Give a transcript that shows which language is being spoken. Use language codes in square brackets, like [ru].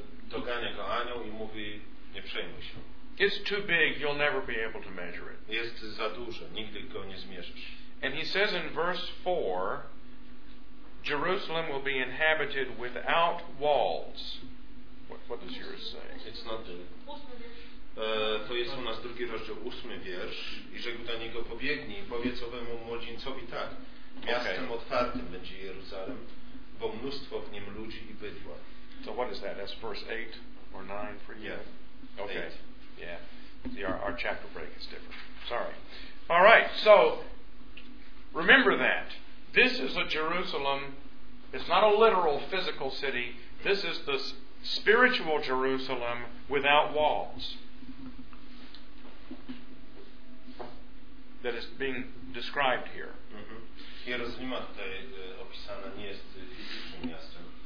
[pl] Dogania go anioł i mówi, nie przejmuj się. [en] It's too big, you'll never be able to measure it. [pl] Jest za duże, nigdy go nie zmierzysz. [en] And he says in verse 4, Jerusalem will be inhabited without walls. What does yours say? It's not the... [pl] To jest u nas drugi rozdział, ósmy wiersz. I rzekł do niego, pobiegnij, powiedz owemu młodzieńcowi tak. Miastem okay. Otwartym będzie Jeruzalem, bo mnóstwo w nim ludzi i bydła. [en] So what is that? That's verse 8 or 9 for you? Yeah. Okay. Eight. Yeah. See, our chapter break is different. Sorry. All right. So, remember that. This is a Jerusalem. It's not a literal physical city. This is the spiritual Jerusalem without walls. That is being described here. [pl] Jerozolima tutaj opisana nie jest fizycznym miastem.